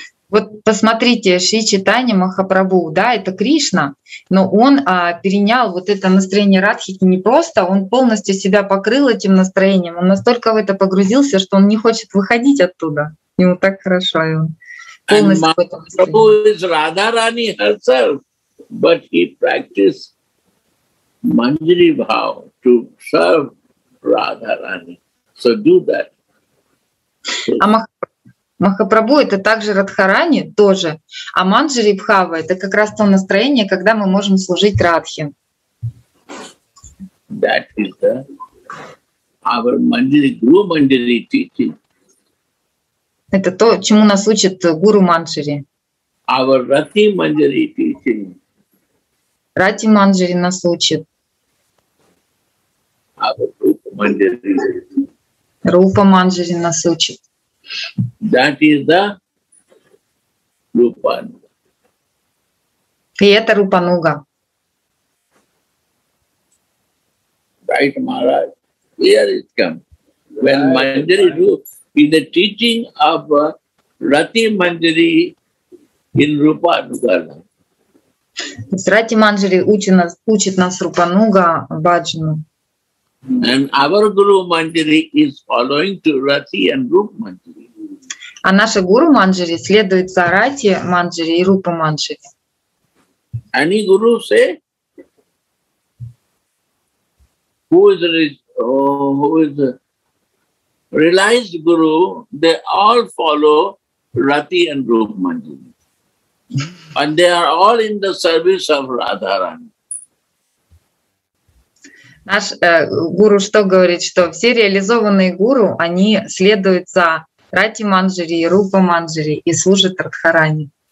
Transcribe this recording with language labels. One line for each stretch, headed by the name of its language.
Russian: Вот посмотрите, Шри Чайтанья Махапрабху, да, это Кришна, но он перенял вот это настроение Радхики не просто, он полностью себя покрыл этим настроением, он настолько в это погрузился, что он не хочет выходить оттуда. Ему так хорошо, и он полностью в этом настроении.
English: And Mahaprabhu is Radharani herself, but he practiced Manjari Bhav to serve Radharani. So do that.
Russian: Махапрабху — это также Радхарани тоже, а Манджари Бхава — это как раз то настроение, когда мы можем служить Радхе.
English: That is the, our Manjari, Guru Manjari teaching.
Russian: Это то, чему нас учит Гуру Манджари.
English: Our Rati Manjari teaching.
Russian: Рати Манджари нас учит.
English: Our Rupa Manjari.
Russian: Рупа Манджари нас учит.
English: That is the Rupanuga.
Russian: И это Рупануга.
English: Right, Maharaj. Here it comes. When right. Manjari Rupa, in the teaching of Rati Manjari in Rupanuga.
Russian: Рати Манджари учит нас Рупануга Баджану.
English: And our Guru Manjari is following to Rati and Rupa Manjari.
Russian: А наша гуру Манджари следует за Рати Манджари и Рупа Манджари.
English: Any guru say? Who is, who is realized guru, they all follow Rati and Rupa Manjari. And they are all in the service of Radharani.
Russian: Наш гуру что говорит? Что все реализованные гуру, они следуют за Рати Манджари и Рупа Манджари и служат Радхарани.